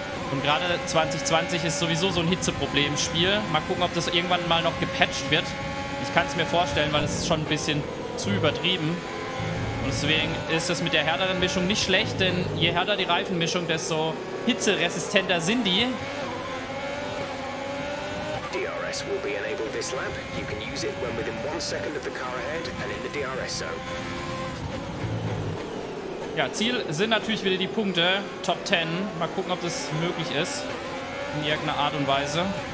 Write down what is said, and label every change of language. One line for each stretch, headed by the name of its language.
German: Und gerade 2020 ist sowieso so ein Hitzeproblem-Spiel. Mal gucken, ob das irgendwann mal noch gepatcht wird. Ich kann es mir vorstellen, weil es ist schon ein bisschen zu übertrieben. Und deswegen ist es mit der härteren Mischung nicht schlecht, denn je härter die Reifenmischung, desto hitzeresistenter sind die.
English: DRS will be enabled this lap. You can use it when within 1 second of the car ahead and in the DRS zone.
German: Ja, Ziel sind natürlich wieder die Punkte, Top 10. Mal gucken, ob das möglich ist, in irgendeiner Art und Weise.